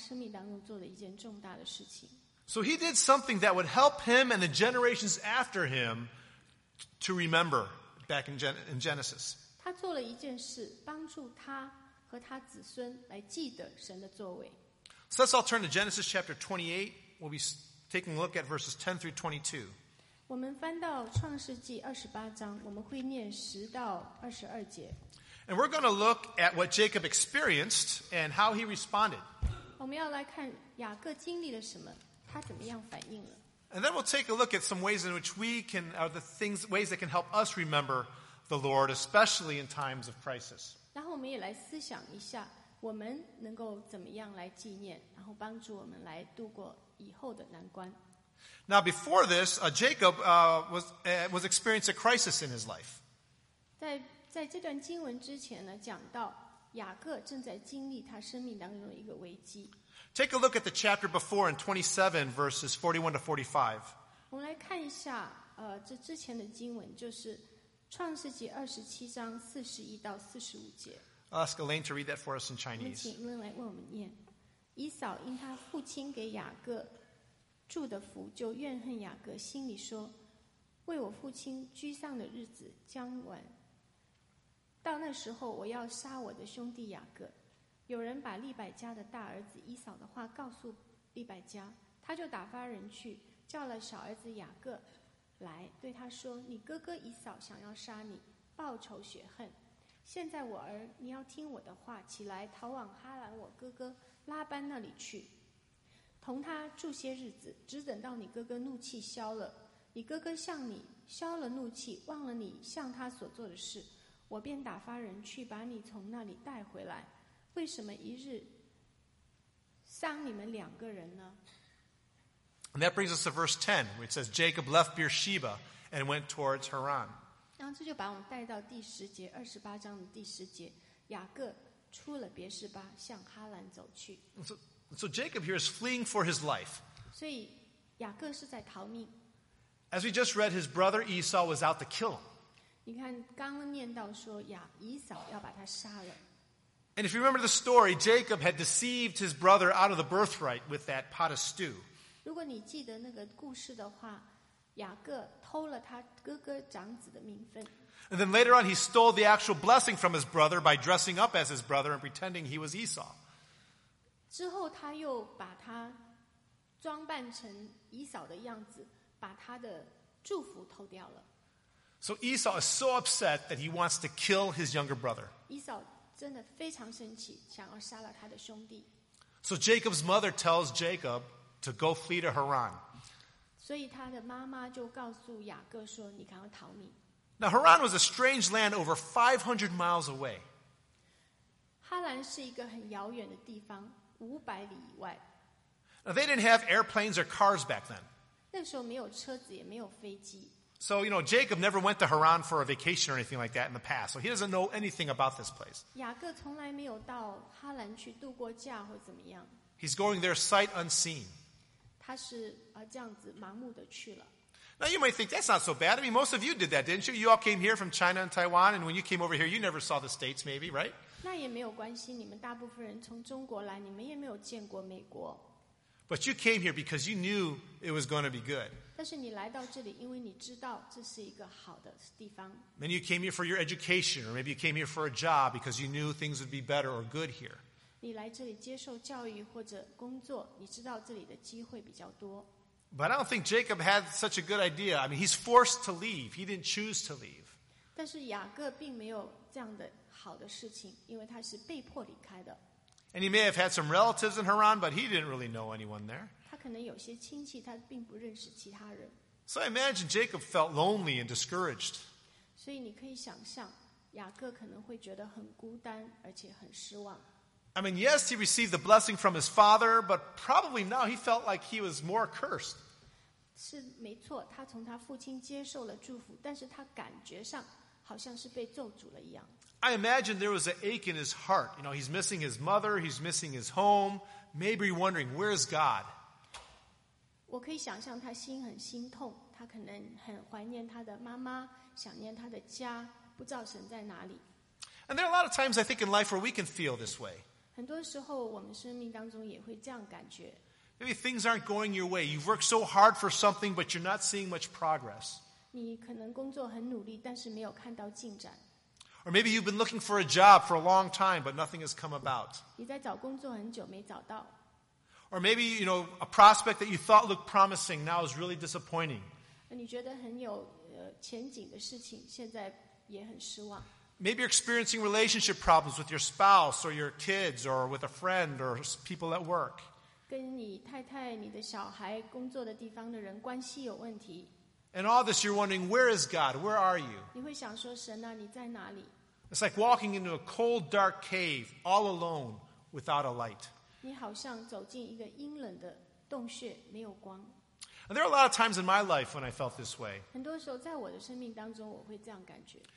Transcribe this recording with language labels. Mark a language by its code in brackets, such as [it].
[zh] 雅各是亚伯拉罕的孙子，他记得神在他生命当中做的一件重大的事情。 [en] So he did something that would help him and the generations after him to remember back in Genesis. [zh] 他做了一件事，帮助他和他子孙来记得神的作为。 [en] So let's all turn to Genesis chapter 28. We'll be taking a look at verses 10 through 22. [zh] 我们翻到创世纪28章，我们会念10到22节。 [en] And we're going to look at what Jacob experienced and how he responded. [zh] 我们要来看雅各经历了什么，他怎么样反应了。 [en] And then we'll take a look at some ways in which ways that can help us remember the Lord, especially in times of crisis. [zh] 然后我们也来思想一下，我们能够怎么样来纪念，然后帮助我们来度过以后的难关。 [en] Now, before this, Jacob was experiencing a crisis in his life. [zh] 在这段经文之前呢，讲到雅各正在经历他生命当中一个危机。 [en] Take a look at the chapter before in 27 verses 41 to 45. [zh] 我们来看一下，这之前的经文就是创世纪二十七章四十一到四十五节。 [en] I'll ask Elaine to read that for us in Chinese. [zh] 请Elaine来为我们念。以扫因他父亲给雅各祝的福，就怨恨雅各，心里说：“为我父亲居丧的日子将完，到那时候我要杀我的兄弟雅各。” 有人把利百加的大儿子以扫的话告诉利百加，他就打发人去叫了小儿子雅各来，对他说：“你哥哥以扫想要杀你，报仇雪恨。现在我儿，你要听我的话，起来逃往哈兰我哥哥拉班那里去，同他住些日子，只等到你哥哥怒气消了，你哥哥向你消了怒气，忘了你向他所做的事，我便打发人去把你从那里带回来。为什么一日伤你们两个人呢？” [en] And that brings us to verse 10, which says, Jacob left Beersheba and went towards Haran. [zh] 然后这就把我们带到第十节，二十八章的第十节，雅各出了别示巴，向哈兰走去。 [en] So Jacob here is fleeing for his life. [zh] 所以雅各是在逃命。 [en] As we just read, his brother Esau was out to kill him. [zh] 你看刚念到说以扫要把他杀了。 [en] And if you remember the story, Jacob had deceived his brother out of the birthright with that pot of stew. [zh] 如果你记得那个故事的话，雅各偷了他哥哥长子的名分。 [en] And then later on, he stole the actual blessing from his brother by dressing up as his brother and pretending he was Esau. [zh] 之后他又把他装扮成以扫的样子，把他的祝福偷掉了。 [en] So Esau is so upset that he wants to kill his younger brother. [zh] 以扫真的非常生气，想要杀了他的兄弟。 [en] So Jacob's mother tells Jacob to go flee to Haran. [zh] 所以他的妈妈就告诉雅各说：“你赶快逃命。” [en] Now Haran was a strange land over 500 miles away. [zh] 哈兰是一个很遥远的地方，五百里以外。 [en] Now they didn't have airplanes or cars back then. [zh] 那时候没有车子，也没有飞机。 [en] So, you know, Jacob never went to Haran for a vacation or anything like that in the past. So he doesn't know anything about this place. [zh] 雅各从来没有到哈兰去度过假或怎么样。 [en] He's going there sight unseen. [zh] 他是这样子盲目的去了。 [en] Now you might think, that's not so bad. I mean, most of you did that, didn't you? You all came here from China and Taiwan, and when you came over here, you never saw the States maybe, right? [zh] 那也没有关系，你们大部分人从中国来，你们也没有见过美国。 [en] But you came here because you knew it was going to be good. [zh] 但是你来到这里，因为你知道这是一个好的地方。 [en] Many of you came here for your education, or maybe you came here for a job because you knew things would be better or good here. [zh] 你来这里接受教育或者工作，你知道这里的机会比较多。 [en] But I don't think Jacob had such a good idea. I mean, he's forced to leave. He didn't choose to leave. [zh] 但是雅各并没有这样的好的事情，因为他是被迫离开的。 [en] And he may have had some relatives in Haran, but he didn't really know anyone there. [zh] 他可能有些亲戚，他并不认识其他人。 [en] So I imagine Jacob felt lonely and discouraged. [zh] 所以你可以想象，雅各可能会觉得很孤单，而且很失望。 [en] I mean, yes, he received the blessing from his father, but probably now he felt like he was more cursed. [zh] 是没错，他从他父亲接受了祝福，但是他感觉上好像是被咒诅了一样。 [en] I imagine there was an ache in his heart. You know, he's missing his mother, he's missing his home. Maybe wondering, where is God? [zh] 我可以想象他心很心痛，他可能很怀念他的妈妈，想念他的家，不知道神在哪里。 [en] And there are a lot of times, I think, in life where we can feel this way. [zh] 很多时候我们生命当中也会这样感觉。 [en] Maybe things aren't going your way. You've worked so hard for something, but you're not seeing much progress. [zh] 你可能工作很努力，但是没有看到进展。 [en] Or maybe you've been looking for a job for a long time, but nothing has come about. [zh] 你在找工作很久没找到。 [en] Or maybe, you know, a prospect that you thought looked promising now is really disappointing. [zh] 你觉得很有前景的事情现在也很失望。 [en] Maybe you're experiencing relationship problems with your spouse or your kids or with a friend or people at work. [zh] 跟你太太、你的小孩、工作的地方的人关系有问题。 [en] And all this, you're wondering, where is God? Where are you? [zh] 你会想说神啊，你在哪里？ [en] It's like walking into a cold, dark cave, all alone, without a light. [zh] 你好像走进一个阴冷的洞穴，没有光。 [en] And there are a lot of times in my life when I felt this way. [zh] 很多时候在我的生命当中我会这样感觉。